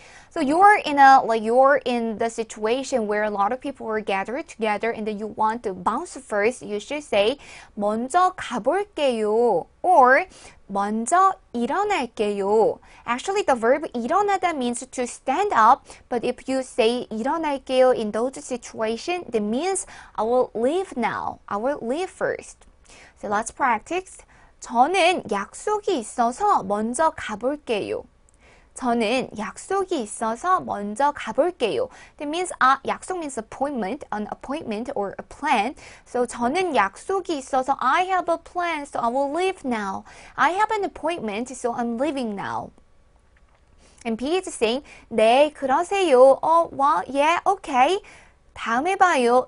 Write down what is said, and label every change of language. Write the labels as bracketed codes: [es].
[en] So you're in the situation where a lot of people are gathered together and then you want to bounce first, you should say [ko] 먼저 가볼게요 [en] or [ko] 먼저 일어날게요. [en] Actually, the verb 일어나다 means to stand up, but if you say 일어날게요 in those situations, that means I will leave now. I will leave first. So let's practice. [ko] 저는 약속이 있어서 먼저 가볼게요. 저는 약속이 있어서 먼저 가볼게요. [en] That means 약속 means appointment, an appointment or a plan. So [ko] 저는 약속이 있어서 [en] I have a plan, so I will leave now. I have an appointment, so I'm leaving now. And B is saying [ko] 네 그러세요. [en] Oh, well, yeah, okay. [ko] 다음에 봐요.